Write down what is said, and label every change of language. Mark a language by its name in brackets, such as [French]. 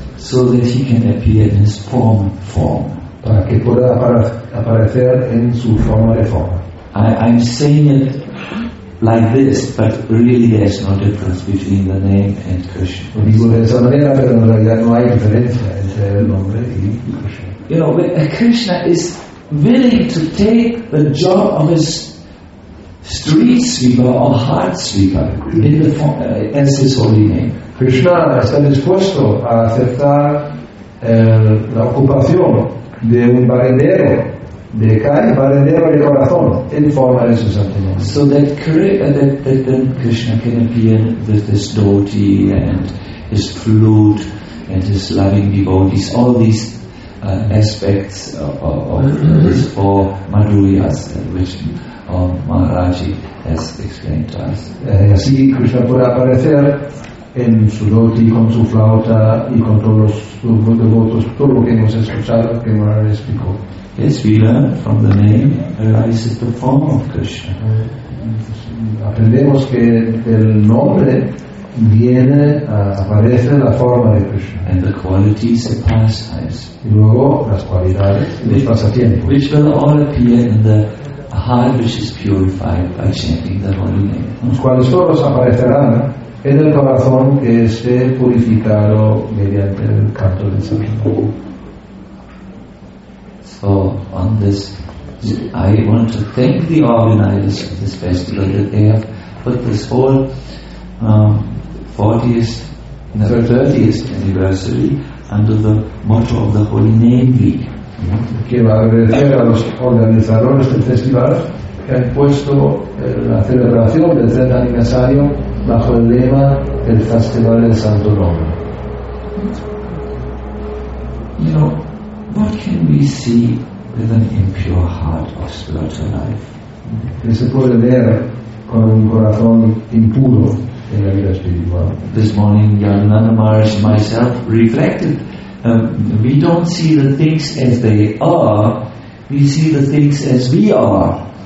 [English] so that he can appear in his form. [Spanish] Para que pueda aparecer en su forma de forma. [English] I'm saying it like this, but really there's no difference between the name and Krishna. [Spanish] Lo digo de esa manera, pero en realidad no hay diferencia entre el nombre y Krishna. [English] You know, Krishna is willing to take the job of his street sweeper or heart sweeper in the form, as his holy name. [Spanish] Krishna está dispuesto a aceptar la ocupación de un barrendero de calle, barrendero de corazón, en forma de su santo nombre. [English] So that, that then Krishna can appear with his dhoti and his flute and his loving devotees, all these aspects of these four madhuryas which Maharaji has explained to us. [Spanish] Así Krishna puede aparecer en su dhoti, con su flauta y con todos sus devotos, todo lo que hemos escuchado que Maharaj explicó. [English] Yes, we learn from the name arises the form of Krishna. [Spanish] Aprendemos que del nombre viene, aparece la forma de Krishna. [English] And the qualities and pastimes. [Spanish] Y luego las cualidades y los pasatiempos. [English] Which will all appear in the heart which is purified by chanting the holy name. [Spanish] Los cuales todos aparecerán en el corazón que esté purificado mediante el canto del santo. [English] So on this, I want to thank the organizers of this festival that they have put this whole 30th anniversary under the motto of the Holy Name Week. [Spanish] Quiero agradecer a los organizadores del festival que han puesto la celebración del 30 aniversario bajo el lema del Festival del Santo Nombre. [English] You know, what can we see with an impure heart of spiritual life? [Spanish] ¿Qué se puede ver con un corazón impuro en la vida espiritual? [English] This morning, Yananda Maharaj and myself reflected. We don't see the things as they are, we see the things as we are.